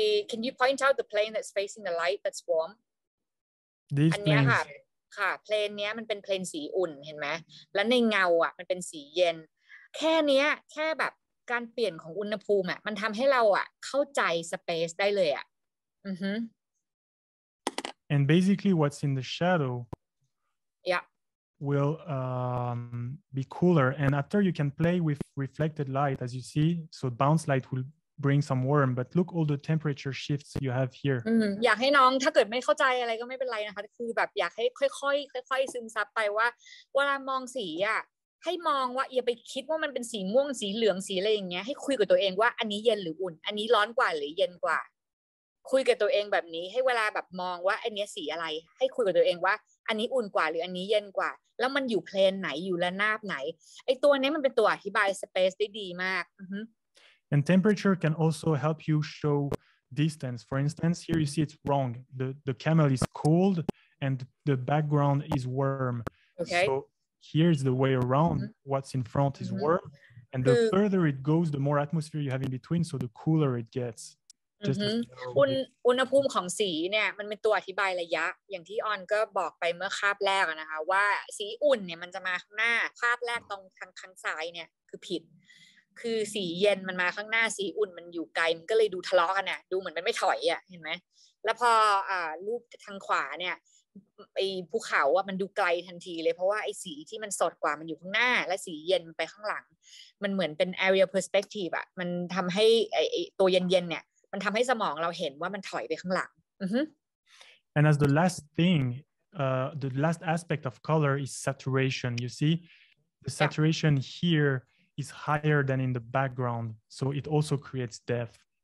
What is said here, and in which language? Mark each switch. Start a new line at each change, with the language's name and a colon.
English: Can you point out the plane that's facing the light that's warm? This plane.
Thai: ค่ะค่ะ plane เนี้ยมันเป็น plane สีอุ่นเห็นไหมแล้วในเงาอ่ะมันเป็นสีเย็นแค่เนี้ยแค่แบบการเปลี่ยนของอุณหภูมิอ่ะมันทำให้เราอ่ะเข้าใจ space ได้เลยอ่ะ
English: And basically, what's in the shadow? Yeah. Will be cooler, and after you can play with reflected light, as you see, so bounce light will bring some warm, but look all the temperature shifts you have here.
Thai: อยากให้น้องถ้าเกิดไม่เข้าใจอะไรก็ไม่เป็นไรนะคะคือแบบอยากให้ค่อยๆซึมซับไปว่าเวลามองสีอ่ะให้มองว่าอย่าไปคิดว่ามันเป็นสีม่วงสีเหลืองสีอะไรอย่างเงี้ยให้คุยกับตัวเองว่าอันนี้เย็นหรืออุ่นอันนี้ร้อนกว่าหรือเย็นกว่าคุยกับตัวเองแบบนี้ให้เวลาแบบมองว่าอันนี้สีอะไรให้คุยกับตัวเองว่าอันนี้อุ่นกว่าหรืออันนี้เย็นกว่าแล้วมันอยู่เพลนไหนอยู่ระนาบไหนไอตัวนี้มันเป็นตัวอธิบายสเปซได้ดีมาก
English: And temperature can also help you show distance. For instance, here you see it's wrong. The camel is cold and the background is warm. Okay. So here's the way around. Mm-hmm. What's in front is warm. And the further it goes, the more atmosphere you have in between, so the cooler it gets.
Thai: อุณหภูมิของสีเนี่ยมันเป็นตัวอธิบายระยะอย่างที่ออนก็บอกไปเมื่อคาบแรกนะคะว่าสีอุ่นเนี่ยมันจะมาข้างหน้าคาบแรกตรงทางซ้ายเนี่ยคือผิดคือสีเย็นมันมาข้างหน้าสีอุ่นมันอยู่ไกลมันก็เลยดูทะเลาะกันเนี่ยดูเหมือนมันไม่ถอยอ่ะเห็นไหมแล้วพอรูปทางขวาเนี่ย ไอ้ภูเขาอ่ะมันดูไกลทันทีเลยเพราะว่าไอ้สีที่มันสดกว่ามันอยู่ข้างหน้าและสีเย็นไปข้างหลังมันเหมือนเป็น area perspective อ่ะมันทำให้ไอ้ตัวเย็นๆเนี่ยมันทำให้สมองเราเห็นว่ามันถอยไปข้างหลัง
English: And as the last thing the last aspect of color is saturation you see the saturation yeah. hereis higher than in the background so it also creates depth